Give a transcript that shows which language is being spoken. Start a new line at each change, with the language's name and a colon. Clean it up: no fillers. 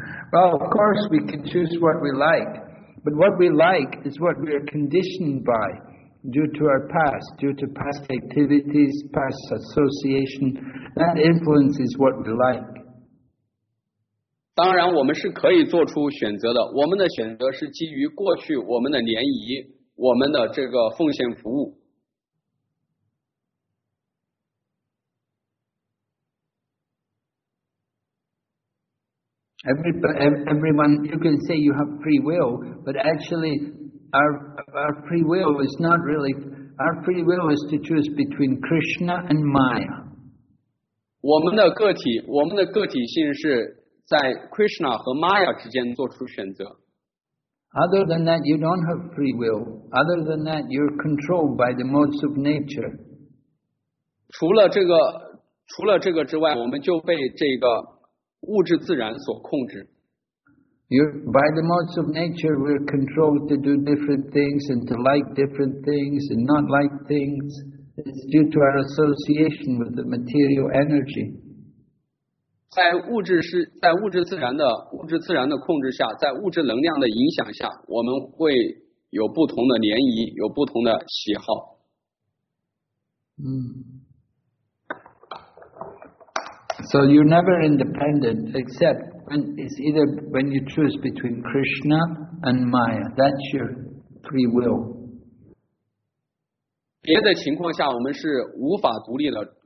English: Well, of course we can choose what we like, but what we like is what we are conditioned by due to our past, due to past activities, past association. That influences what we like.
Chinese: 当然我们是可以做出选择的，我们的选择是基于过去我们的涟漪，我们的这个奉献服务。
English: Everyone, you can say you have free will, but actually our free will is not really, our free will is to choose between Krishna and Maya.
Chinese: 我们的个体性是在 Krishna 和 Maya 之间做出选择。
English: Other than that, you don't have free will. Other than that, you're controlled by the modes of nature.
Chinese: 除了这个之外，我们就被这个物质自然所控制。
English: You're, by the modes of nature, we're controlled to do different things and to like different things and not like things. It's due to our association with the material energy.
Chinese: 在物质自然的控制下，在物质能量的影响下，我们会有不同的涟漪，有不同的喜好。
English: So you're never independent except when it's either when you choose between Krishna and Maya. That's your free will.
Chinese: 别的情况下，我们是无法独立的。